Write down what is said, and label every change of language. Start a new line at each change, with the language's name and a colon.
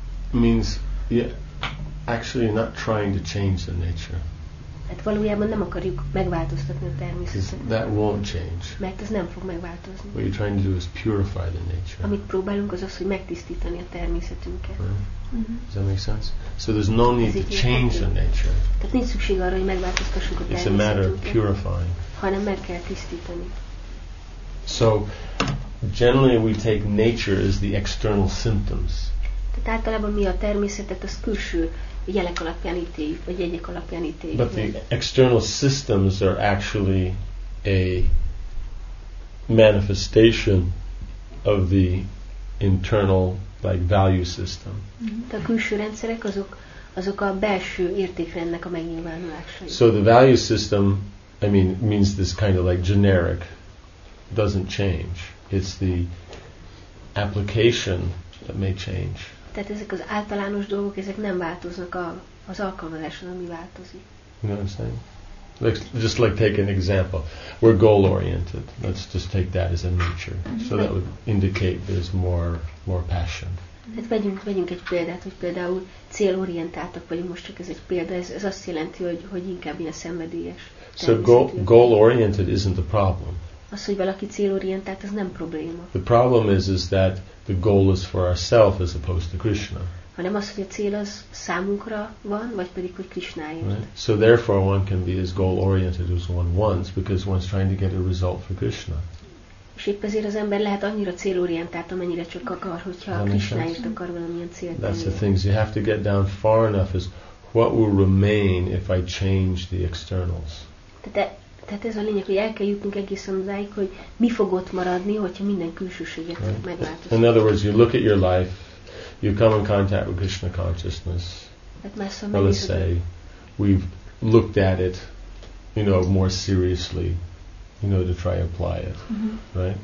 English: Means, yeah, actually not trying to change the nature.
Hungarian: Hát valójában nem akarjuk megváltoztatni a természetet.
English: That won't change.
Hungarian: Mert ez nem fog megváltozni.
English: What you're trying to do is purify the nature.
Hungarian: Amit próbálunk az, hogy megtisztítani a természetünket.
English: Right. Mm-hmm. Does that make sense? So there's no need to change the nature.
Hungarian: Tehát nincs szükség arra, hogy megváltoztassuk a természetünket.
English: It's a matter of purifying.
Hungarian: Hanem meg kell tisztítani.
English: So generally we take nature as the external symptoms.
Hungarian: Tehát általában mi a természetet az külső jelek alapján ítéljük, vagy jegyek alapján ítéljük.
English: But the external systems are actually a manifestation of the internal like value system.
Hungarian: De a külső rendszerek azok a belső értékrendnek a megnyilvánulásai.
English: So the value system, I mean, means this kind of like generic, doesn't change. It's the application that may change.
Hungarian: Tehát ezek az általános dolgok, ezek nem változnak az alkalmazáson, ami változik.
English: You know what I'm saying? Just like take an example. We're goal-oriented. Let's just take that as a nature. So that would indicate there's more passion.
Hungarian: Tehát vegyünk egy példát, hogy például célorientáltak vagyunk, most csak ez egy példa. Ez azt jelenti, hogy inkább ilyen szenvedélyes.
English: So goal-oriented isn't the problem.
Hungarian: Az, hogy valaki célorientált, az nem probléma.
English: The problem is that the goal is for ourselves as opposed to Krishna.
Hungarian: Hanem az, hogy a cél az számunkra van, vagy pedig hogy Krishnáért.
English: Right? So therefore one can be as goal-oriented as one wants, because one's trying to get a result for Krishna.
Hungarian: És épp ezért az ember lehet annyira célorientált, amennyire csak akar, hogyha a Krishnáért akar valamilyen célt.
English: That's the thing. You have to get down far enough as what will remain if I change the externals.
Hungarian: Tehát ez a lényeg, hogy el kell jutnunk egészen odáig, hogy mi fog ott maradni, hogyha minden külsőséget megváltoztatjuk.
English: In other words, you look at your life, you come in contact with Krishna consciousness. Well, let's say we've looked at it, you know, more seriously, you know, to try and apply it, right?